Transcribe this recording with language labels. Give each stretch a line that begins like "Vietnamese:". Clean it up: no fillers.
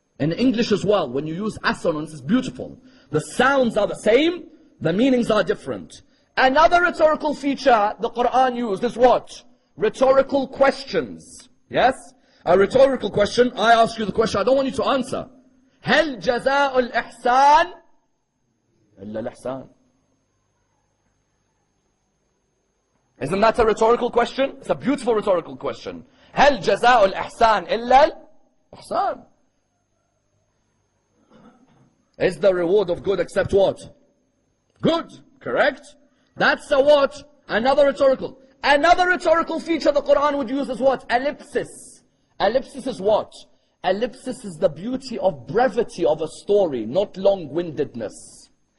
English: In English as well, when you use assonance, it's beautiful. The sounds are the same, the meanings are different. Another rhetorical feature the Quran used is what? Rhetorical questions. Yes? A rhetorical question, I ask you the question, I don't want you to answer.
Arabic: هل جزاء الإحسان إلا الإحسان?
English: Isn't that a rhetorical question? It's a beautiful rhetorical question.
Arabic: هل جزاء الإحسان إلا الإحسان?
English: Is the reward of good except what? Good, correct? That's a what? Another rhetorical. Another rhetorical feature the Quran would use is what? Ellipsis. Ellipsis is what? Ellipsis is the beauty of brevity of a story, not long-windedness.